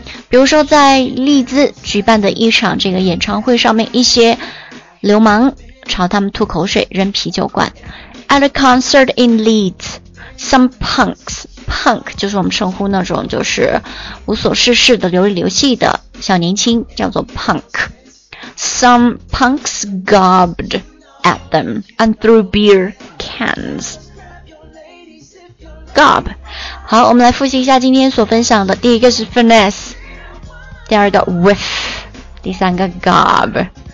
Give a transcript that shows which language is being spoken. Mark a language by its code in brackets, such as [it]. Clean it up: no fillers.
[zh] 比如说在利兹举办的一场这个演唱会上面，一些流氓朝他们吐口水扔啤酒罐。 [en] At a concert in Leeds, some punks， [zh] punk 就是我们称呼那种就是无所事事的流里流气的小年轻，叫做 punk。 [en] Some punks gobbed at them and threw beer cans。 Gob。 [zh] 好，我们来复习一下今天所分享的。第一个是 finesse， 第二个 whiff， 第三个 gob。